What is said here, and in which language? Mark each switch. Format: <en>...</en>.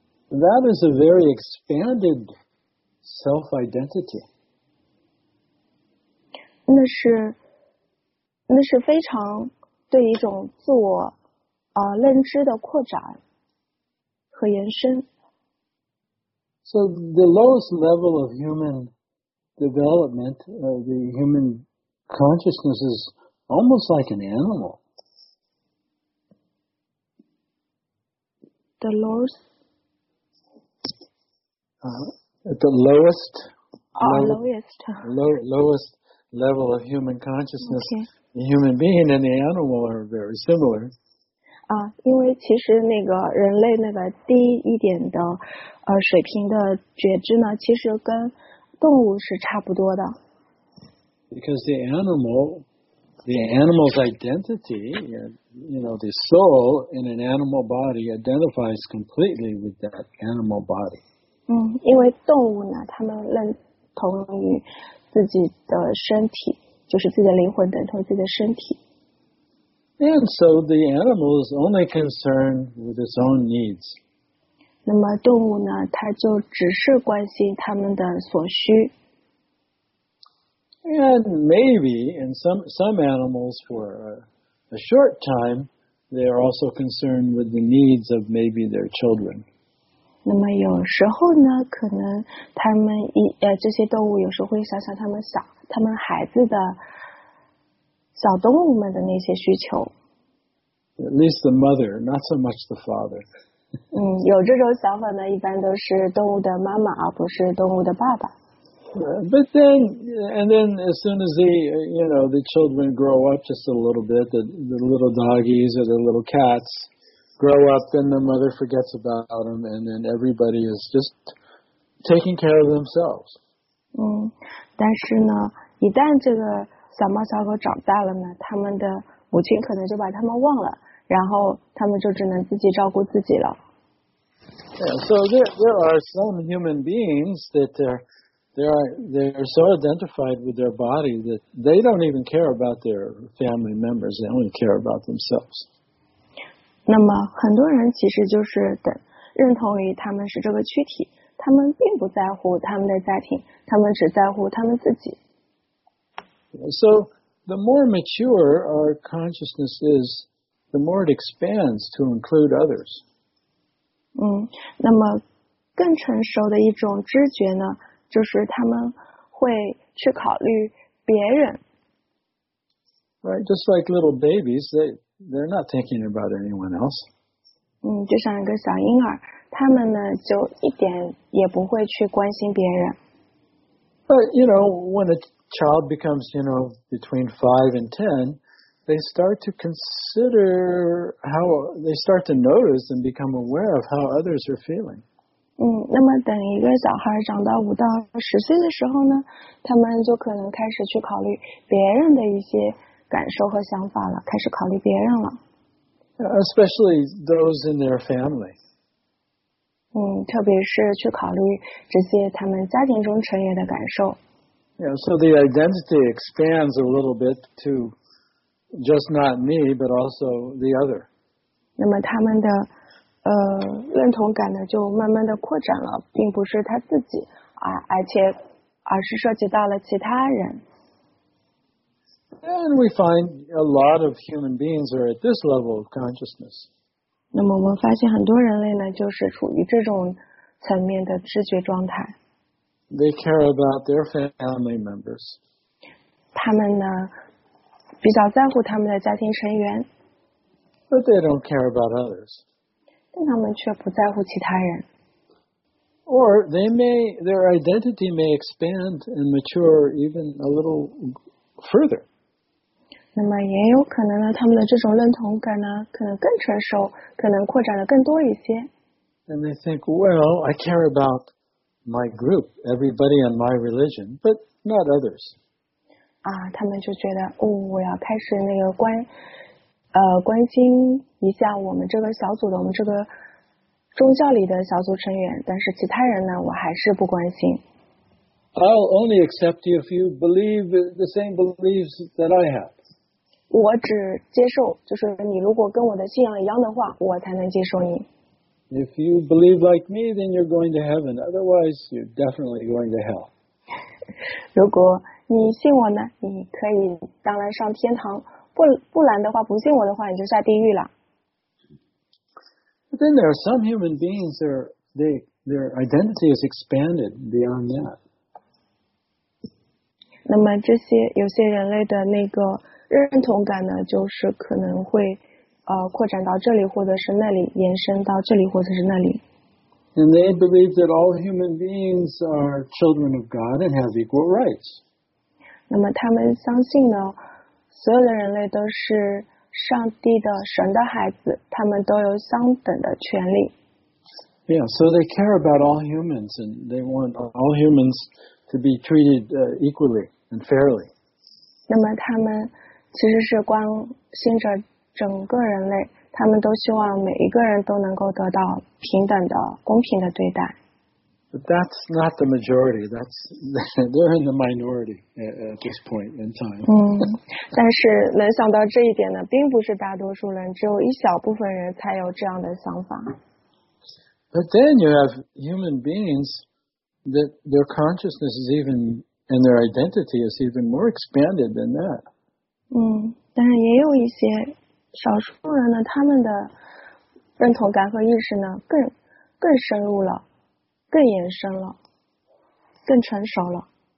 <en>That is a very expanded self-identity.</en> <zh>那是非常对一种自我认知的扩展和延伸。</zh> <en>So the lowest level of human development, the human consciousness is almost like an animal. The lowest level of human consciousness. Okay. The human being and the animal are very similar.</en> <zh>因为其实那个人类那个低一点的水平的觉知呢，其实跟动物是差不多的。</zh> <en>Because the animal's identity, you know, the soul in an animal body identifies completely with that animal body.</en> <zh>因为动物呢，他们认同于自己的身体。就是自己的灵魂等同自己的身体。</zh> <en>And so the animal is only concerned with its own needs.</en> <zh>那么动物呢，它就只是关心它们的所需。</zh> <en>And maybe in some animals for a short time, they are also concerned with the needs of maybe their children.</en> <zh>那么有时候呢，可能他们这些动物有时候会想想他们孩子的小动物们的那些需求。</zh> <en>At least the mother, not so much the father.</en> <zh>有这种想法呢，一般都是动物的妈妈，而不是动物的爸爸。</zh> <en>But then, and then as soon as the children grow up just a little bit, the little doggies or the little cats grow up, then the mother forgets about them, and then everybody is just taking care of themselves.</en> <zh>但是呢，一旦这个小猫小狗长大了呢，他们的母亲可能就把他们忘了，然后他们就只能自己照顾自己了。</zh> <en>Yeah, so there are some human beings that they are so identified with their body that they don't even care about their family members. They only care about themselves.</en> <zh>那么很多人其实就是认同于他们是这个躯体，他们并不在乎他们的家庭，他们只在乎他们自己。</zh> <en>So the more mature our consciousness is, the more it expands to include others.</en> <zh>那么更成熟的一种知觉呢，就是他们会去考虑别人。</zh> <en>Right, just like little babies, they're not thinking about anyone else.</en> <zh>就像一个小婴儿，他们呢就一点也不会去关心别人。</zh> <en>But, you know, when a child becomes, between 5 and 10, they start to notice and become aware of how others are feeling.</en> <zh>那么等一个小孩长到5到10岁的时候呢，他们就可能开始去考虑别人的一些感受和想法了，开始考虑别人了。</zh> <en>Especially those in their family.</en> <zh>特别是去考虑这些他们家庭中成员的感受。</zh> <en>Yeah, so the identity expands a little bit to just not me, but also the other.</en> <zh>那么他们的认同感呢就慢慢的扩展了，并不是他自己，而是涉及到了其他人。</zh> <en>And we find a lot of human beings are at this level of consciousness.</en> <zh>那么我们发现很多人类呢就是处于这种层面的知觉状态。</zh> <en>They care about their family members.</en> <zh>他们呢比较在乎他们的家庭成员。</zh> <en>But they don't care about others.</en> <zh>但他们却不在乎其他人。</zh> <en>Or their identity may expand and mature even a little further.</en> <zh>那么也有可能呢，他们的这种认同感呢，可能更成熟，可能扩展的更多一些。</zh> <en>And they think, well, I care about my group, everybody in my religion, but not others.</en> <zh>他们就觉得，我要开始关心一下我们这个小组的，我们这个宗教里的小组成员，但是其他人呢，我还是不关心。</zh> <en>I'll only accept you if you believe the same beliefs that I have.</en> <zh>我只接受，就是你如果跟我的信仰一样的话，我才能接受你。</zh> <en>If you believe like me, then you're going to heaven. Otherwise, you're definitely going to hell.</en> <zh>如果你信我呢，你可以当然上天堂。不然的话，不信我的话，你就下地狱了。</zh> <en>But then there are some human beings their identity is expanded beyond that.</en> <zh>那么这些有些人类的那个认同感呢，就是可能会扩展到这里，或者是那里，延伸到这里，或者是那里。</zh> <en>And they believe that all human beings are children of God and have equal rights.</en> <zh>那么他们相信呢，所有的人类都是上帝的神的孩子，他们都有相等的权利。</zh> <en>Yeah, so they care about all humans and they want all humans to be treated equally and fairly.</en> <zh>那么他们其实是关心着整个人类，他们都希望每一个人都能够得到平等的、公平的对待。</zh> <en>But that's not the majority. They're in the minority at this point in time.</en> <zh>但是能想到这一点呢，并不是大多数人，只有一小部分人才有这样的想法。</zh> <en>But then you have human beings that their consciousness is even and their identity is even more expanded than that.</en> <zh>但是也有一些少数人呢，他们的认同感和意识呢，更深入了，更延伸了，更成熟了。</zh>